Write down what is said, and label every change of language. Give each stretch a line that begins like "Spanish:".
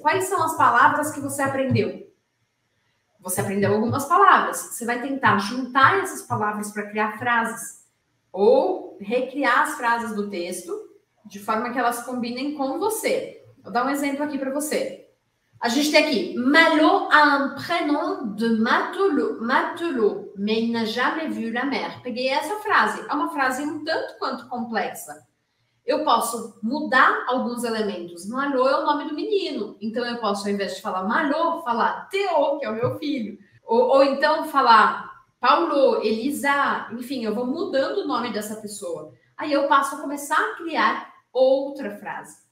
Portuguese: Quais são as palavras que você aprendeu? Você aprendeu algumas palavras. Você vai tentar juntar essas palavras para criar frases. Ou recriar as frases do texto de forma que elas combinem com você. Vou dar um exemplo aqui para você. A gente tem aqui.
French: Malo a un prénom de matelot, mais n'a jamais vu la mer.
Portuguese: Peguei essa frase. É uma frase um tanto quanto complexa. Eu posso mudar alguns elementos. Malo é o nome do menino. Então eu posso, ao invés de falar Malo, falar Theo, que é o meu filho. Ou então falar Paulo, Elisa. Enfim, eu vou mudando o nome dessa pessoa. Aí eu passo a começar a criar outra frase.